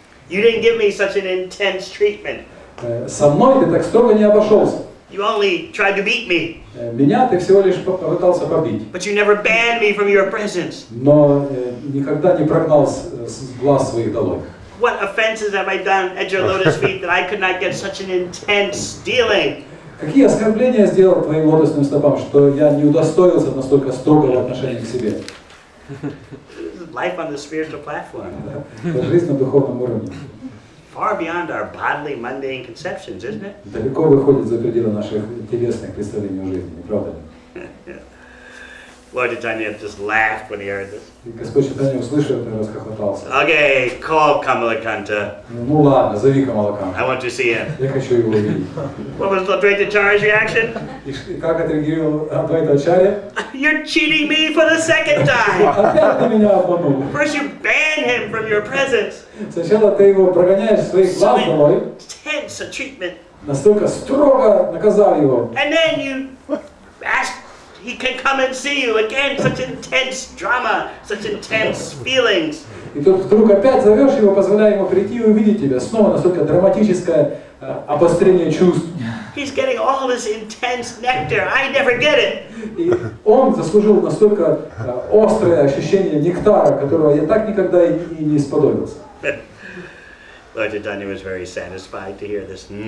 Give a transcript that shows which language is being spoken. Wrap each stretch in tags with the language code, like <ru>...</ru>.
<en>You didn't give me such an intense treatment.</en> <ru>Со мной ты так строго не обошелся.</ru> <en>You only tried to beat me.</en> <ru>Меня ты всего лишь попытался побить.</ru> <en>But you never banned me from your presence.</en> <ru>Но никогда не прогнал с глаз своих долой.</ru> <en>What offenses have I done at your lotus feet that I could not get such an intense dealing?</en> <ru>Какие оскорбления я сделал твоим лотосным стопам, что я не удостоился настолько строгого отношения к себе?</ru> <en>Life on the spiritual platform.</en> <ru>Жизнь на духовном уровне.</ru> <en>Far beyond our bodily mundane conceptions, isn't it?</en> <ru>Далеко выходит за пределы наших телесных представлений о жизни, правда ли?</ru> <en>Lord Chaitanya just laughed when he heard this.</en> <ru>Господь Чайтанья услышал, и расхохотался.</ru> <en>Okay, call Камалаканта.</en> <ru>Ну ладно, зови Камалаканта.</ru> <en>I want to see him.</en> <ru>Я хочу его видеть.</ru> <en>What was Advaita Acharya's reaction?</en> <ru>И как отреагировал Advaita Acharya?</ru> <en>You're cheating me for the second time.</en> <ru>Опять ты меня обманул.</ru> <en>First you ban him from your presence.</en> <ru>Сначала ты его прогоняешь из своих глаз долой.</ru> <en>Intense treatment.</en> <ru>Настолько строго наказал его.</ru> <en>And then you ask. He can come and see you again. Such intense drama, such intense feelings.</en> <ru>И тут вдруг опять зовешь его, позволяя ему прийти и увидеть тебя. Снова настолько драматическое обострение чувств.</ru> <en>He's getting all this intense nectar. I never get it.</en> <ru>И он заслужил настолько острое ощущение нектара, которого я так никогда и не сподобился.</ru> <en>Lord Chaitanya was very satisfied to hear this.</en>